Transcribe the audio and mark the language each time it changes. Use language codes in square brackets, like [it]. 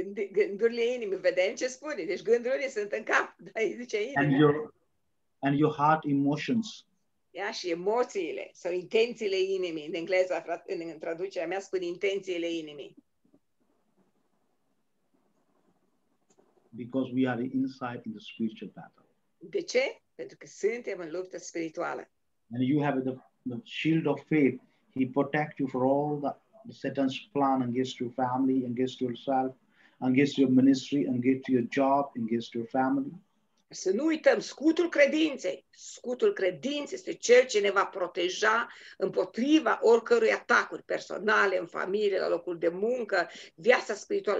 [ro] Gândurile inimii, vedem ce spune. Deci gândurile sunt în cap, dar zice inimii. [en] And your heart emotions. [ro] Ia, și emoțiile sau intențiile inimii. În engleză, în traducerea mea, spune intențiile inimii. [en] Because we are inside in the spiritual battle. [ro] De ce? Pentru că suntem în luptă spirituală. [en] And you have the shield of faith. He protects you for all the Satan's plan against your family, against yourself, against your ministry, against your job, against your family. [ro] Să nu uităm scutul credinței. Scutul credinței este cel ce ne va proteja împotriva oricărui atacuri personale, în familie, la locul de muncă, viața spirituală.